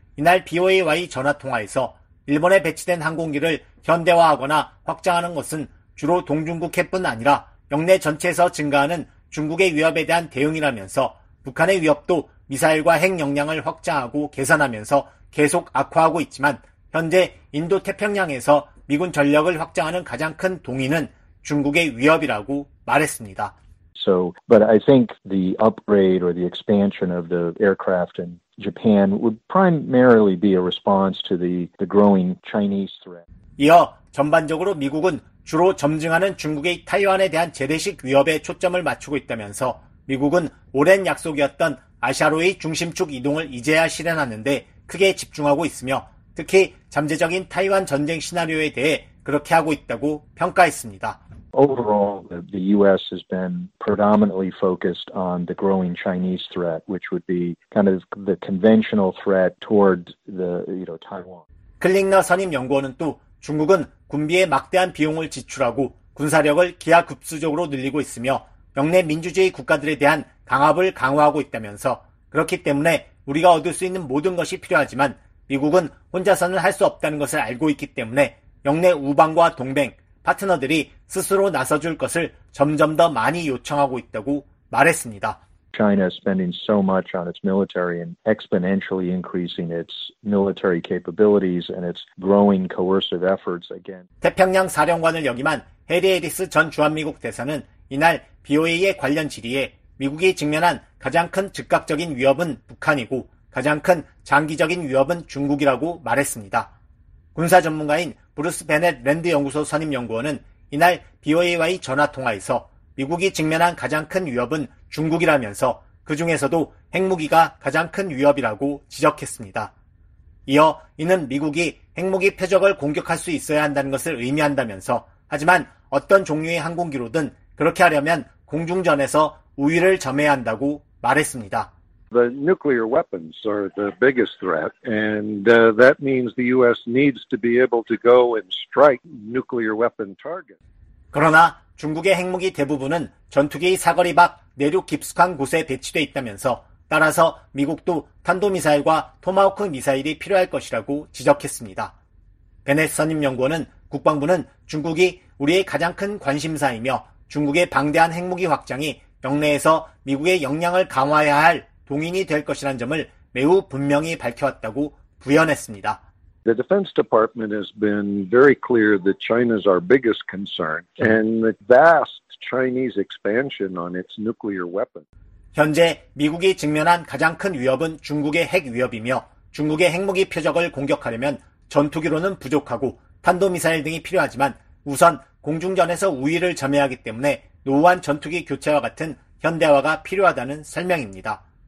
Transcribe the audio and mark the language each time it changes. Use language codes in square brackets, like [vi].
[ko] 이날 BOA와의 전화통화에서 일본에 배치된 항공기를 현대화하거나 확장하는 것은 주로 동중국해뿐 아니라 영내 전체에서 증가하는 중국의 위협에 대한 대응이라면서 북한의 위협도 미사일과 핵 역량을 확장하고 개선하면서 계속 악화하고 있지만 현재 인도 태평양에서 미군 전력을 확장하는 가장 큰 동인은 중국의 위협이라고 말했습니다. [en] So, but I think the upgrade or the expansion of the aircraft in Japan would primarily be a response to the growing Chinese threat. [ko] 이어 전반적으로 미국은 주로 점증하는 중국의 타이완에 대한 제대식 위협에 초점을 맞추고 있다면서 미국은 오랜 약속이었던 아시아로의 중심축 이동을 이제야 실현하는데 크게 집중하고 있으며 특히 잠재적인 타이완 전쟁 시나리오에 대해 그렇게 하고 있다고 평가했습니다. [en] Overall, the U.S. has been predominantly focused on the growing Chinese threat, which would be kind of the conventional threat toward the, you know, Taiwan. [ko] 클링너 선임 연구원은 또 중국은 군비에 막대한 비용을 지출하고 군사력을 기하급수적으로 늘리고 있으며 영내 민주주의 국가들에 대한 강압을 강화하고 있다면서 그렇기 때문에 우리가 얻을 수 있는 모든 것이 필요하지만 미국은 혼자서는 할 수 없다는 것을 알고 있기 때문에 영내 우방과 동맹, 파트너들이 스스로 나서줄 것을 점점 더 많이 요청하고 있다고 말했습니다. [en] China is spending so much on its military and exponentially increasing its military capabilities and its growing coercive efforts again. [ko] 태평양 사령관을 역임한 해리 해리스 전 주한미국 대사는 이날 BOA의 관련 질의에 미국이 직면한 가장 큰 즉각적인 위협은 북한이고 가장 큰 장기적인 위협은 중국이라고 말했습니다. 군사 전문가인 브루스 베넷 랜드 연구소 선임 연구원은 이날 BOA와의 전화 통화에서 미국이 직면한 가장 큰 위협은 중국이라면서 그 중에서도 핵무기가 가장 큰 위협이라고 지적했습니다. 이어 이는 미국이 핵무기 표적을 공격할 수 있어야 한다는 것을 의미한다면서 하지만 어떤 종류의 항공기로든 그렇게 하려면 공중전에서 우위를 점해야 한다고 말했습니다. [en] The nuclear weapons are the biggest threat, and that means the U.S. needs to be able to go and strike nuclear weapon targets. [ko] 그러나 중국의 핵무기 대부분은 전투기의 사거리 밖 내륙 깊숙한 곳에 배치돼 있다면서 따라서 미국도 탄도미사일과 토마호크 미사일이 필요할 것이라고 지적했습니다. 베넷 선임 연구원은 국방부는 중국이 우리의 가장 큰 관심사이며 중국의 방대한 핵무기 확장이 영내에서 미국의 역량을 강화해야 할 동인이 될 것이란 점을 매우 분명히 밝혀왔다고 부연했습니다. [en] The Defense Department has been very clear that China is our biggest concern and the vast Chinese expansion on its nuclear weapon. [ko] 현재 미국이 직면한 가장 큰 위협은 중국의 핵 위협이며 중국의 핵무기 표적을 공격하려면 전투기로는 부족하고 탄도미사일 등이 필요하지만 우선 공중전에서 우위를 점해야하기 때문에 노후한 전투기 교체와 같은 현대화가 필요하다는 설명입니다.